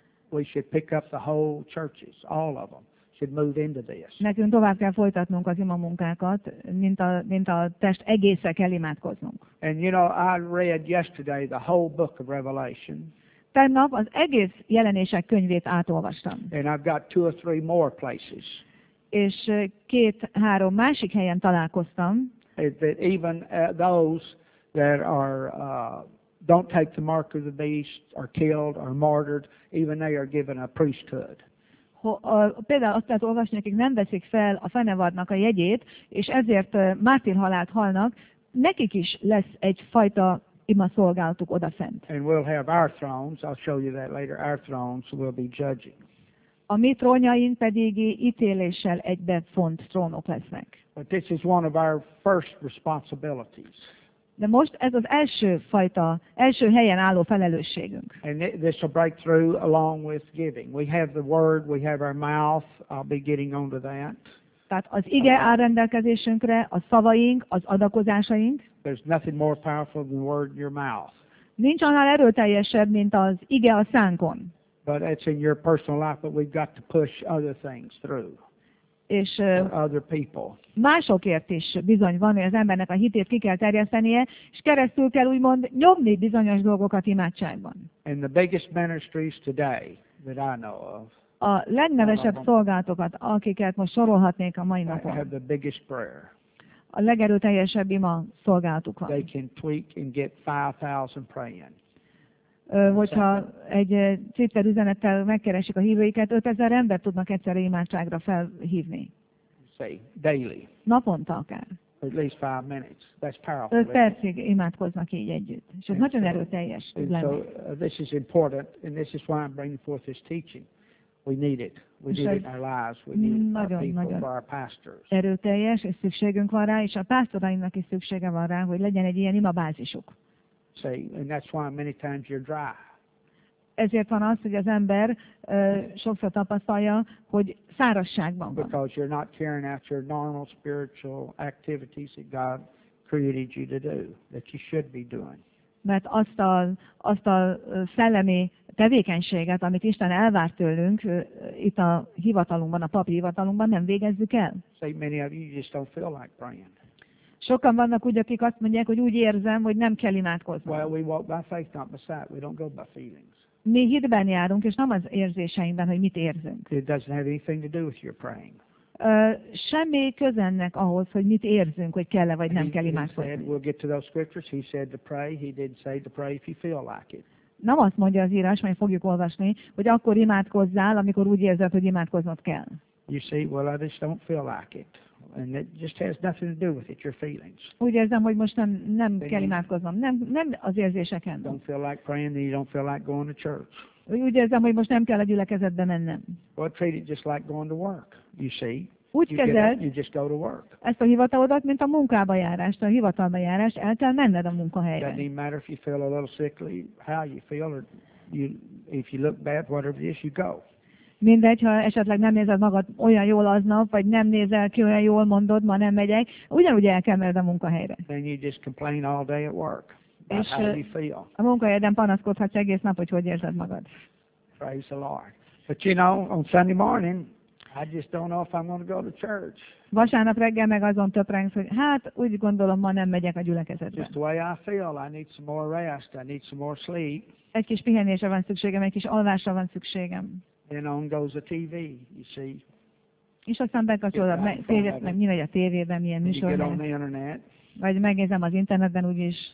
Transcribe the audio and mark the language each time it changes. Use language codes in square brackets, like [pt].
[en] We should pick up the whole churches, all of them. [hu] Nekünk tovább kell folytatnunk az ima munkákat, mint a test egésze kell imádkoznunk. [en] And you know, I read yesterday the whole book of Revelation. [hu] Tegnap az egész jelenések könyvét átolvastam. [en] And I've got two or three more places. [hu] És két-három másik helyen találkoztam. [en] Even those that are don't take the mark of the beast, are killed, are martyred, even they are given a priesthood. [hu] Például azt lehet olvasni, akik nem veszik fel a fenevadnak a jegyét, és ezért mártír halált halnak, nekik is lesz egyfajta ima szolgálatuk odafent. [en] And we'll have our thrones, I'll show you that later, our thrones will be judging. [hu] A mi trónjaink pedig ítéléssel egybe font trónok lesznek. [en] But this is one of our first responsibilities. [hu] De most ez az első helyen álló felelősségünk. [en] And this will break through along with giving. We have the word, we have our mouth. I'll be getting onto that. [hu] Tehát az ige áll rendelkezésünkre, a szavaink, az adakozásaink. [en] There's nothing more powerful than the word in your mouth. [hu] Nincs annál erőteljesebb, mint az ige a szánkon. [en] But it's in your personal life, but we've got to push other things through. [hu] És [en] other people. [hu] Másokért is bizony van, hogy az embernek a hitét ki kell terjesztenie, és keresztül kell úgymond nyomni bizonyos dolgokat imádságban. [en] And the biggest ministries today that I know of, [hu] a legnevesebb szolgálatokat, akiket most sorolhatnék a mai napon, [en] have the biggest prayer. [hu] A legerőteljesebb ima szolgálatuk van. [en] They can tweak and get 5,000 praying. [hu] Hogyha egy Twitter üzenettel megkeresik a hívőiket, 5000 ember tudnak egyszerre imádságra felhívni. [en] Say, daily. [hu] Naponta akár. [en] At least 5 minutes. That's powerful. [hu] 5 percig imádkoznak így együtt. És ez nagyon erőteljes lenne. [en] So this is important, and this is why I'm bringing forth this teaching. We need it. We need it in our lives. We need our people for our pastors. [hu] Erőteljes, és szükségünk van rá, és a pásztorainak is szüksége van rá, hogy legyen egy ilyen imabázisuk. [en] Say, and that's why many times you're dry. [hu] Ezért van az, hogy az ember sokszor tapasztalja, hogy szárazságban van. [en] Because you're not carrying out your normal spiritual activities that God created you to do, that you should be doing. [hu] Mert azt a szellemi tevékenységet, amit Isten elvár tőlünk itt a hivatalunkban, a papi hivatalunkban, nem végezzük el. [en] Say, many of you just don't feel like praying. [hu] Sokan vannak úgy, akik azt mondják, hogy úgy érzem, hogy nem kell imádkoznom. [en] Well, we walk by faith, not by sight. We don't go by feelings. [hu] Mi hitben járunk, és nem az érzéseinkben, hogy mit érzünk. [en] It doesn't have anything to do with your praying. [hu] Semmi közennek ahhoz, hogy mit érzünk, hogy kell-e vagy nem kell imádkozni. [en] We'll get to those scriptures. He said to pray. He didn't say to pray if you feel like it. [hu] Nem azt mondja az írás, majd fogjuk olvasni, hogy akkor imádkozzál, amikor úgy érzed, hogy imádkoznod kell. [en] You see, well, I just don't feel like it. And it just has nothing to do with it, your feelings. [hu] Úgy érzem, hogy most nem kell imádkoznom. Nem az érzéseken. [en] Don't feel like praying, then you don't feel like going to church. [hu] Úgy érzem, hogy most nem kell a gyülekezetbe mennem. [en] Well, treat it just like going to work, you see. [hu] Úgy kezeld, [en] you just go to work. [hu] Ezt a hivatalodat, mint a munkába járást, a hivatalba járást, el kell menned a munkahelyre. [en] Doesn't even matter if you feel a little sickly, how you feel, or you, if you look bad, whatever it is, you go. [hu] Mindegy, ha esetleg nem nézed magad olyan jól aznap, vagy nem nézel ki olyan jól, mondod, ma nem megyek, ugyanúgy el kell menned a munkahelyre. [en] Then you just complain all day at work. [hu] És a munkahelyeden panaszkodhatsz egész nap, hogy érzed magad. [en] Praise the Lord. But you know, on Sunday morning, I just don't know if I'm going to go to church. [hu] Vasárnap reggel meg azon töprengsz, hogy hát úgy gondolom, ma nem megyek a gyülekezetbe. [en] Just the way I feel, I need some more rest, I need some more sleep. [hu] Egy kis pihenésre van szükségem, egy kis alvásra van szükségem. [en] Then on goes the TV, you see. [hu] És aztán bekapcsolod, meg mi vagy a tévében, milyen műsor. [en] You get on the internet. [hu] Vagy megnézem az interneten úgyis.